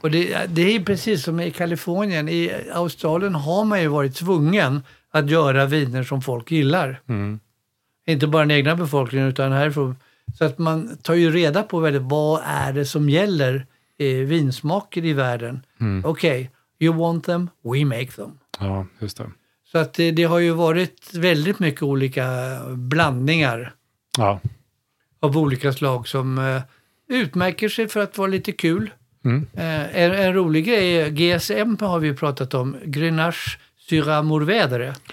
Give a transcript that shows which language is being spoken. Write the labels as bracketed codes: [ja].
[sv] Och det är precis som i Kalifornien. I Australien har man ju varit tvungen att göra viner som folk gillar. Mm. Inte bara den egna befolkningen utan härifrån. Så att man tar ju reda på väldigt, vad är det som gäller vinsmaker i världen. Mm. [en] Okej, okay, you want them, we make them. [sv] Ja, just det. Så att det har ju varit väldigt mycket olika blandningar. Ja. Av olika slag som utmärker sig för att vara lite kul. Mm. En rolig grej, GSM har vi ju pratat om, Grenache Syrah Mourvèdre.